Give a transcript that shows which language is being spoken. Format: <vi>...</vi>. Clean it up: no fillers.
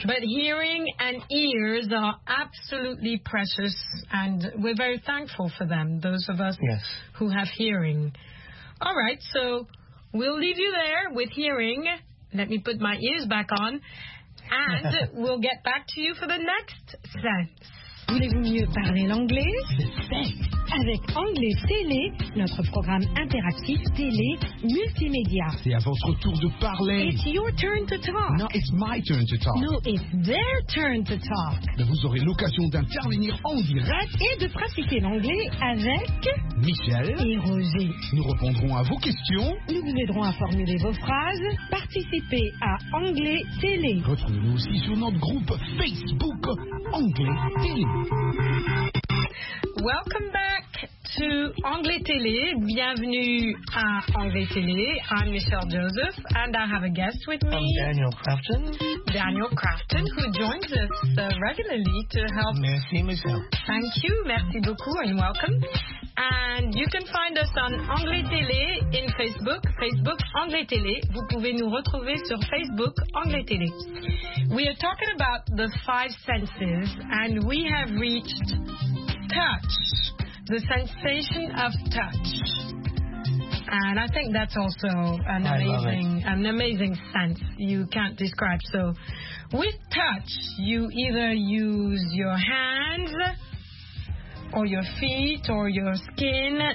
<en>But hearing and ears are absolutely precious, and we're very thankful for them, those of us who have hearing. All right, so we'll leave you there with hearing. Let me put my ears back on, and we'll get back to you for the next sense.</en> <fr>Voulez-vous mieux parler l'anglais? Avec Anglais Télé, notre programme interactif télé multimédia. C'est à votre tour de parler.</fr> <en>It's your turn to talk. No, it's my turn to talk. No, it's their turn to talk.</en> <fr>Vous aurez l'occasion d'intervenir en direct et de pratiquer l'anglais avec Michel et Roger. Nous répondrons à vos questions. Nous vous aiderons à formuler vos phrases. Participez à Anglais Télé. Retrouvez-nous aussi sur notre groupe Facebook Anglais Télé.</fr> <en>Welcome back to Anglais Télé.</en> <fr>Bienvenue à Anglais Télé.</fr> <en>I'm Michel Joseph, and I have a guest with me. I'm Daniel Crofton. Daniel Crofton, who joins us regularly to help.</en> <fr>Merci, Michel.</fr> <en>Thank you.</en> <fr>Merci beaucoup,</fr> <en>and welcome. And you can find us on Anglais Télé in Facebook, Facebook Anglais Télé.</en> <fr>Vous pouvez nous retrouver sur Facebook Anglais Télé.</fr> <en>We are talking about the five senses, and we have reached touch, the sensation of touch. And I think that's also an amazing sense you can't describe. So with touch, you either use your hands or your feet or your skin.</en>